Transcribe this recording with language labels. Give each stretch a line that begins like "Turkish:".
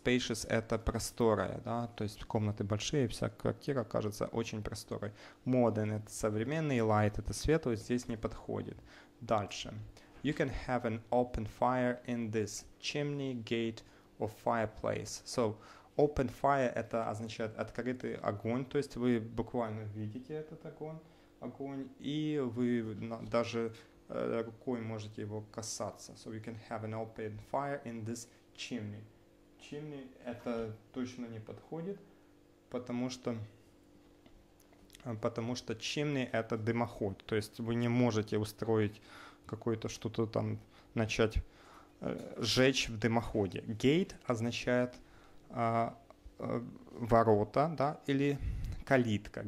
Russian: Spacious — это просторая, да, то есть комнаты большие, вся квартира кажется очень просторой. Modern — это современный, light — это светлый, здесь не подходит. Дальше.
English: You can have an open fire in this chimney, gate or fireplace.
Russian: So, open fire — это означает открытый огонь, то есть вы буквально видите этот огонь, и вы даже рукой можете его касаться.
English: So, you can have an open fire in this chimney.
Russian: Chimney — это точно не подходит, потому что chimney — это дымоход, то есть вы не можете устроить какое-то что-то там, начать жечь в дымоходе. Gate означает ворота, да, или калитка.